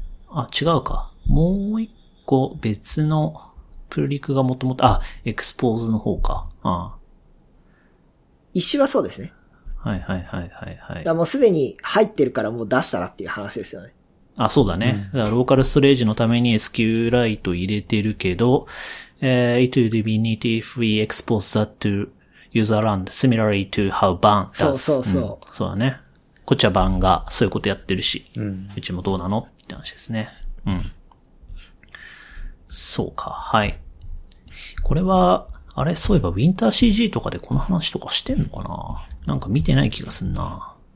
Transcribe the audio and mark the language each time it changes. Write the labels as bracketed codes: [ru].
[ja] あ、違うか。もう一個別のプルリクがもともと、あ、エクスポーズの方か。ああ。一周はそうですね。はいはいはいはいはい。だもうすでに入ってるからもう出したらっていう話ですよね。あ、そうだね。うん、だからローカルストレージのために SQLite 入れてるけど、 [en] it would be neat if we expose that to user land similarly to how ban does. [ja] そうそうそう、うん。そうだね。こっちはバンがそういうことやってるし、うん、うちもどうなのって話ですね。うん。そうか、はい。これは、あれそういえば、ウィンター CG とかでこの話とかしてんのかな？なんか見てない気がすんな。